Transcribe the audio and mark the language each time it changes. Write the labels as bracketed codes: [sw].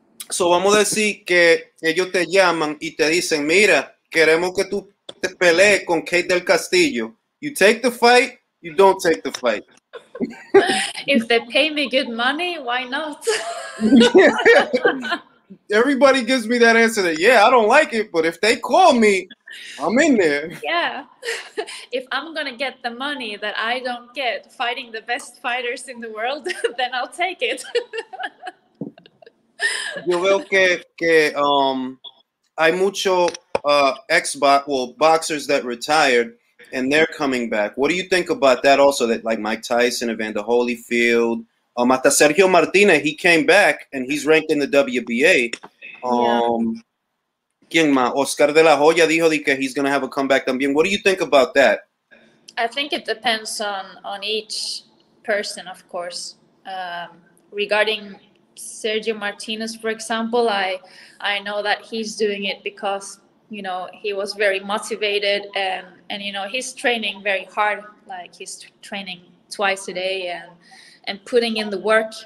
[es] So vamos a decir que ellos te llaman y te dicen, mira, queremos que tú te pelees con Kate del Castillo. [en] You take the fight, you don't take the fight. If they pay me good money, why not? Everybody gives me that answer that, yeah, I don't like it, but if they call me, I'm in there. Yeah. If I'm going to get the money that I don't get fighting the best fighters in the world, then I'll take it. [es] Yo veo que hay mucho [en] boxers that retired and they're coming back. What do you think about that also, that like Mike Tyson, Evander Holyfield, hasta Sergio Martinez, he came back and he's ranked in the WBA. Yeah. [es] ¿Quién más? [en] Oscar de la Hoya [es] dijo que [en] he's going to have a comeback [es] también. [en] What do you think about that? I think it depends on each person, of course. Regarding Sergio Martinez, for example, I know that he's doing it because, you know, he was very motivated and you know, he's training very hard, like he's training twice a day and putting in the work.